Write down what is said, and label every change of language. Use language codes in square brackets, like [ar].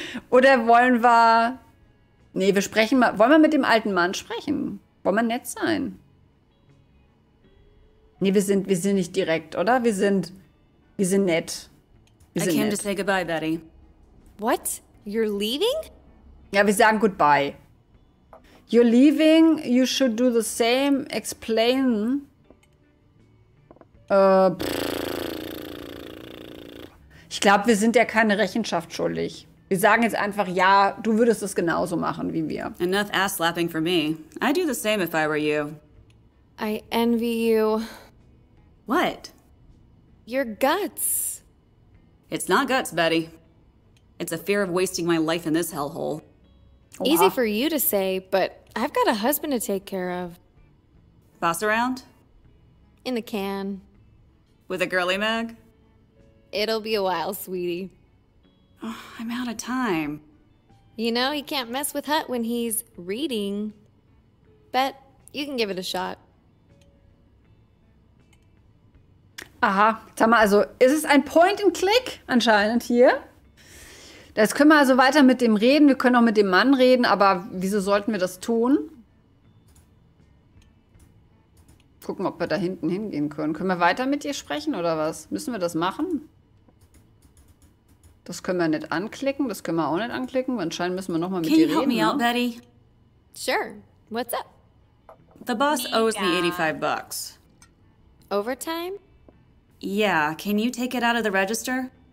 [de] Oder wollen wir... Nee, wir sprechen mal... Wollen wir mit dem alten Mann sprechen? Wollen wir nett sein? Nee, wir sind nicht direkt, oder? Wir sind nett. Wir sind [en] I came [de] nett. [en] To say goodbye, Betty. What? You're leaving? [de] Ja, wir sagen goodbye. [en] You're leaving, you should do the same, explain. [de] Ich glaube, wir sind ja keine Rechenschaft schuldig. Wir sagen jetzt einfach, ja, du würdest es genauso machen wie wir. [en] Enough ass slapping for me. I'd do the same if I were you. I envy you. What? Your guts. It's not guts, Betty. It's a fear of wasting my life in this hellhole. Wow. Easy for you to say, but I've got a husband to take care of. Boss around? In the can. With a girly mag? It'll be a while, sweetie. Oh, I'm out of time. You know, he can't mess with Hutt when he's reading. Bet you can give it a shot. [de] Aha, sag mal, also ist es ein Point-and-Click anscheinend hier? Das können wir also weiter mit dem reden, wir können auch mit dem Mann reden, aber wieso sollten wir das tun? Gucken, ob wir da hinten hingehen können. Können wir weiter mit ihr sprechen oder was? Müssen wir das machen? Das können wir nicht anklicken, das können wir auch nicht anklicken. Anscheinend müssen wir nochmal mit ihr reden. [en] Can you help me out, Betty? Sure, what's up? The boss owes me 85 bucks. Overtime? Yeah, can you take it out of the register?